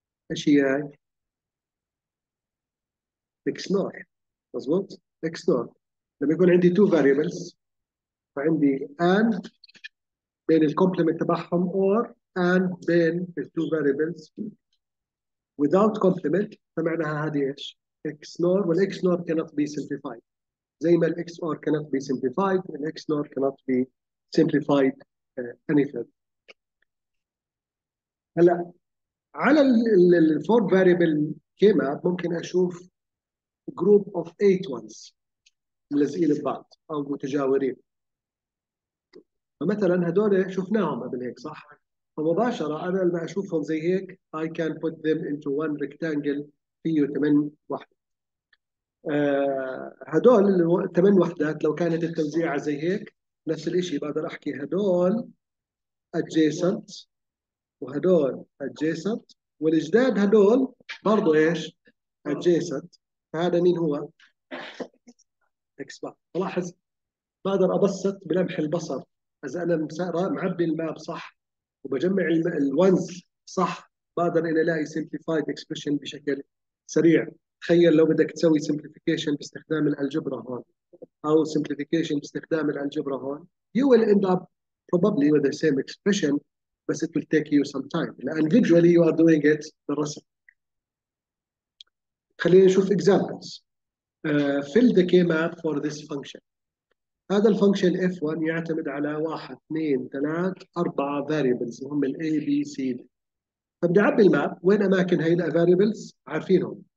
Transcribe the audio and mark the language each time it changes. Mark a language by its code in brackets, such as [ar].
[ar] اشياء اكس نور، مظبوط اكس نور. لما يكون عندي تو فاريبلز، فعندي اند بين الكومبلمنت تبعهم اور اند بين التو فاريبلز [en] without complement، [ar] فمعناها هذه ايش؟ اكس نور، والاكس نور [en] cannot be simplified. [ar] زي ما الاكس اور [en] cannot be simplified، [ar] الاكس نور [en] cannot be simplified any further. [ar] هلا على الفور فاريبل كي ماب ممكن اشوف جروب اوف 8 ones ملزقين ببعض او متجاورين. فمثلا هذول شفناهم قبل هيك صح؟ فمباشرة أنا لما أشوفهم زي هيك [en] I can put them into one rectangle [ar] فيه 8 وحدات. هدول الثمان وحدات لو كانت التوزيعة زي هيك نفس الإشي، بقدر أحكي هدول adjacent وهدول adjacent، والجداد هدول برضو إيش adjacent. فهذا مين هو؟ X-bar. ألاحظ بقدر أبسط بلمح البصر إذا أنا معبي الماب صح وبجمع الونز صح، بقدر اني الاقي سمبليفايد اكسبريشن بشكل سريع. تخيل لو بدك تسوي سمبليفيكيشن باستخدام الالجبرا هون، او سمبليفيكيشن باستخدام الالجبرا هون، [en] you will end up probably with the same expression [ar] بس [en] it will take you some time. And visually you are doing it [ar] بالرسم. خلينا نشوف examples. [en] Fill the k-map for this function. [ar] هذا الفانكشن F1 يعتمد على 1 2 3 4 variables وهم ال A B C D. فبدي اعبي الماب وين اماكن هاي الفاريبلز عارفينهم.